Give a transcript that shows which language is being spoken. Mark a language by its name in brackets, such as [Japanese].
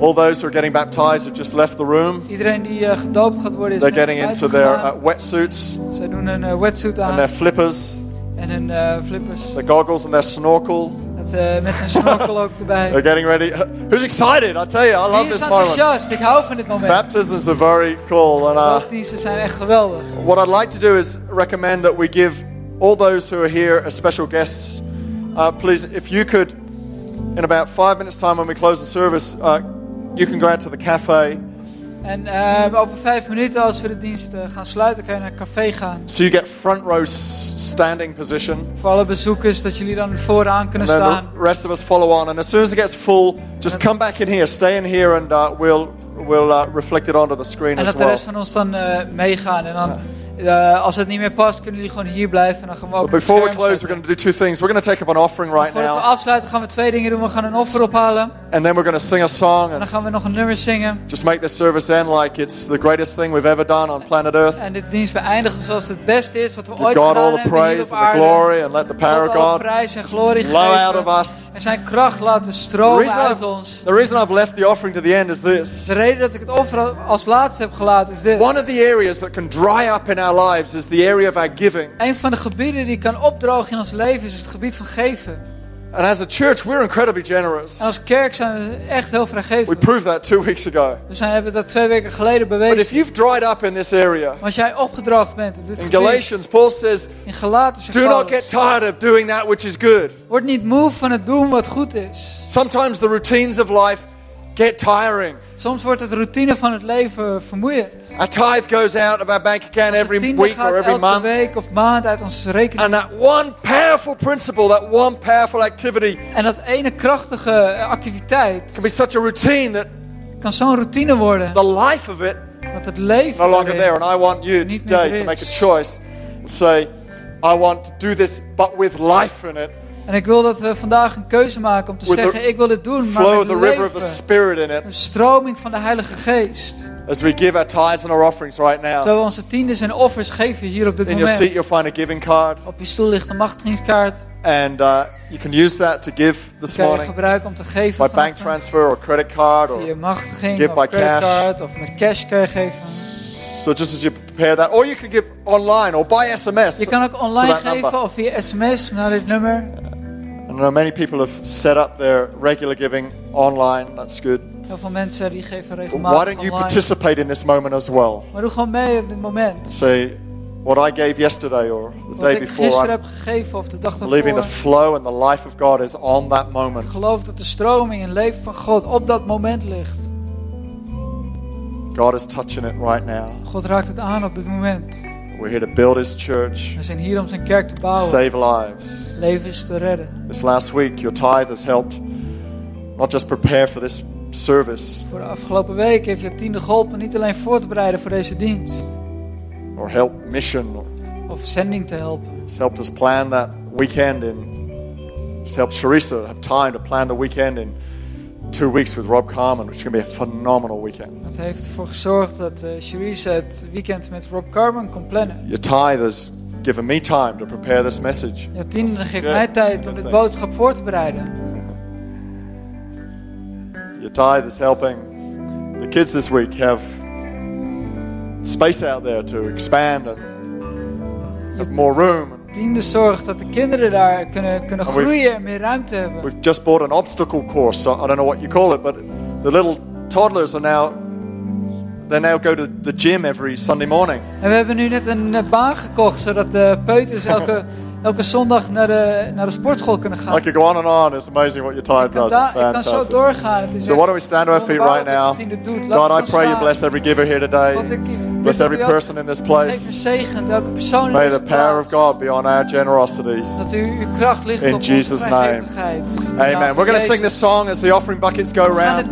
[English] All those who are getting baptized have just left the room. [Dutch] Iedereen die gedoopt gaat worden is [English] they're getting [Dutch] buiten [English] into their wetsuits. [Dutch] Ze doen een wetsuit aan. [English] And their flippers. [Dutch] En hun flippers. [English] Their goggles and their snorkel. [Dutch] Met een snorkel ook erbij. [English] They're getting ready. Who's excited? I tell you, I love this moment. [Dutch] Wie is enthousiast? Ik hou van dit moment. [English] Baptisms are very cool. [Dutch] De baptisten zijn echt geweldig. [English] What I'd like to do is recommend that we give all those who are here as special guests. Please, if you could, in about 5 minutes time when we close the service, you can go out to the cafe. [Dutch] En over 5 minuten als we de dienst gaan sluiten, kan je naar een café gaan. [English] So you get front row standing position. [Dutch] Voor alle bezoekers, dat jullie dan vooraan kunnen staan. [English] And then the rest of us follow on. And as soon as it gets full, just come back in here. Stay in here and we'll reflect it onto the screen as well. [Dutch] En dat de rest van ons dan meegaan. En dan, als het niet meer past, kunnen jullie gewoon hier blijven. En dan gaan we ook [English] But before we close, we're going to do two things. We're going to take up an offering right [Dutch] voor [English] now. [Dutch] Voordat we afsluiten, gaan we twee dingen doen. We gaan een offer ophalen. [English] And then we're going to sing a song. [Dutch] En dan gaan we nog een nummer zingen. [English] Just make this service end like it's the greatest thing we've ever done on planet Earth. [Dutch] En dit dienst beëindigen zoals het beste is wat we [English] Give [Dutch] ooit [English] God [Dutch] gedaan hebben [English] praise, [Dutch] hier op aarde. [English] The glory and let the power of God [Dutch] prijs en glorie [English] flow [Dutch] geven. [English] Out of us. [Dutch] En zijn kracht laten stromen uit ons. [English] The reason I've left the offering to the end is this. [Dutch] De reden dat ik het offer als laatste heb gelaten is dit. [English] One of the areas that can dry up in our lives is the area of our giving. [Dutch] Een van de gebieden die kan opdrogen in ons leven is het gebied van geven. [English] And as a church, we're incredibly generous. [Dutch] Als kerk zijn we echt heel vrijgevig. [English] We proved that 2 weeks ago. [Dutch] We hebben dat 2 weken geleden bewezen. [English] But if you've dried up in this area, [Dutch] als jij opgedroogd bent op dit [English] in Galatians, Paul says, [Dutch] in Galaten zegt [English] Paulus, do not get tired of doing that which is good. [Dutch] Word niet moe van het doen wat goed is. [English] Sometimes the routines of life get tiring. [Dutch] Soms wordt het routine van het leven vermoeiend. [English] A tithe goes out of our bank account every week or every month. [Dutch] Elke week of maand uit onze rekening. [English] And that one powerful principle, that one powerful activity. [Dutch] En dat ene krachtige activiteit. [English] Can be such a routine that. [Dutch] Kan zo'n routine worden. [English] The life of it. [Dutch] Dat het leven. [English] No longer there, and I want you today to make a choice and say, I want to do this, but with life in it. [Dutch] En ik wil dat we vandaag een keuze maken om te zeggen, ik wil het doen, maar met leven. Een stroming van de Heilige Geest. [English] As we give our tithes and our offerings right now. [Dutch] Terwijl we onze tiendes en offers geven hier op dit moment. [English] In your seat you'll find a giving card. [Dutch] Op je stoel ligt een machtigingskaart. [English] And you can use that to give this morning. [Dutch] Kan je gebruiken om te geven. [English] By bank transfer or credit card or [Dutch] via machtiging of credit card of met cash kan je geven. [English] So just as you prepare that, or you can give online or by SMS. [Dutch] Je kan ook online geven of via SMS naar dit nummer. [English] I know many people have set up their regular giving online. That's good. [Dutch] Heel veel mensen die geven regelmatig. [English] Why don't you [Dutch] online. [English] Participate in this moment as well? [Dutch] Maar doe gewoon mee op dit moment. [English] Say what I gave yesterday or the [Dutch] wat [English] day before. [Dutch] Wat ik gisteren heb gegeven of de dag ervoor. [English] Believing the flow and the life of God is on that moment. [Dutch] Ik geloof dat de stroming en leven van God op dat moment ligt. [English] God is touching it right now. [Dutch] God raakt het aan op dit moment. [English] We're here to build His church. [Dutch] We zijn hier om zijn kerk te bouwen. [English] Save lives. [Dutch] Levens te redden. [English] This last week, your tithe has helped not just prepare for this service. [Dutch] Voor de afgelopen week heeft je tiende geholpen niet alleen voor te bereiden voor deze dienst. [English] Or help mission. [Dutch] Of sending te helpen. [English] It's helped us plan that weekend in. It's helped Charissa have time to plan the weekend in. 2 weeks with Rob Carman, which is going to be a phenomenal weekend. [Dutch] Dat heeft ervoor gezorgd dat Cherise het weekend met Rob Carman kon plannen. [English] Your tithe has given me time to prepare this message. [Dutch] Je tiende geeft mij tijd om dit boodschap voor te bereiden. [English] Your tithe is helping the kids this week have space out there to expand and have more room. [Dutch] Tiende zorgt dat de kinderen daar kunnen groeien en meer ruimte hebben. [English] We've just bought an obstacle course. So I don't know what you call it, but the little toddlers are now they now go to the gym every Sunday morning. [Dutch] En we hebben nu net een baan gekocht zodat de peuters elke zondag naar de sportschool kunnen gaan. [English] I could go on and on. It's amazing what your tithe does. [Dutch] Ik kan zo doorgaan. Het is [English] so why don't we stand to our feet right now? God, I pray you bless every giver here today. Bless every person in this place. May the power of God be on our generosity. In Jesus' name. Amen. We're going to sing this song as the offering buckets go around.